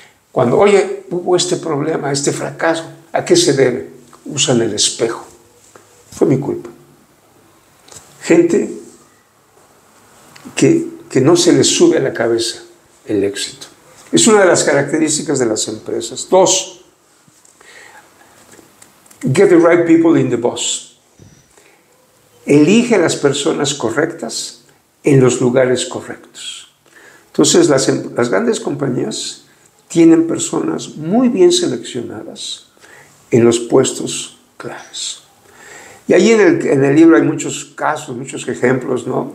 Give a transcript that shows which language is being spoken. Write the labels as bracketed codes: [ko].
[es] Cuando, oye, hubo este problema, este fracaso, ¿a qué se debe? Usan el espejo. Fue mi culpa. Gente que no se les sube a la cabeza el éxito. Es una de las características de las empresas. [en] 2, get the right people in the bus. [es] Elige a las personas correctas en los lugares correctos. Entonces, las grandes compañías tienen personas muy bien seleccionadas en los puestos claves. Y ahí en el libro hay muchos casos, muchos ejemplos, ¿no?